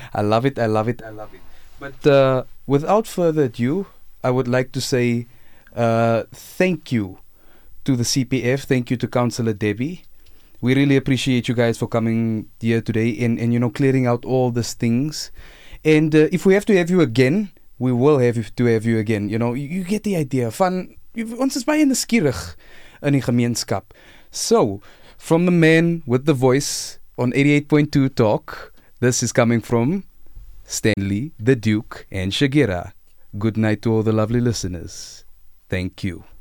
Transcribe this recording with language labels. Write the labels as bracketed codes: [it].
[en] I love it, I love it, I love it. But without further ado, I would like to say thank you to the CPF. Thank you to Councillor Debbie. We really appreciate you guys for coming here today and you know, clearing out all these things. And if we have to have you again, we will have to have you again. You know, you get the idea. [af] Van, ons is baie nuuskierig in die gemeenskap. [en] So, from the man with the voice on 88.2 Talk, this is coming from Stanley, the Duke, and Shagira. Good night to all the lovely listeners. Thank you.